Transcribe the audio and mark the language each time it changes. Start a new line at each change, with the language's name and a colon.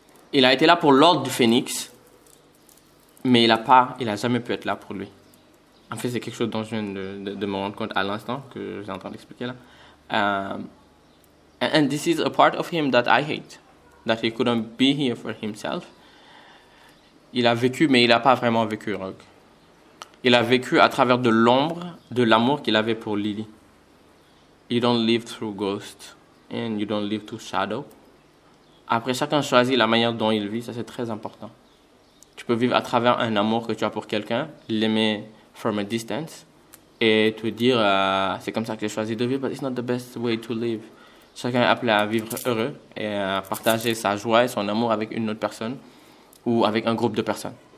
French: Il a été là pour l'Ordre du Phénix. Mais il a jamais pu être là pour lui. En fait, c'est quelque chose dont je viens de me rendre compte à l'instant que j'étais en train d'expliquer là.
English: And this is a part of him that I hate, that he couldn't be here for himself.
French: Il a vécu, mais il n'a pas vraiment vécu Rogue. Il a vécu à travers de l'ombre de l'amour qu'il avait pour Lily.
English: You don't live through ghost and you don't live through shadow.
French: Après, chacun choisit la manière dont il vit, ça c'est très important. Tu peux vivre à travers un amour que tu as pour quelqu'un, l'aimer
English: from a distance,
French: et te dire, c'est comme ça que j'ai choisi de vivre,
English: but it's not the best way to live.
French: Chacun est appelé à vivre heureux et à partager sa joie et son amour avec une autre personne ou avec un groupe de personnes.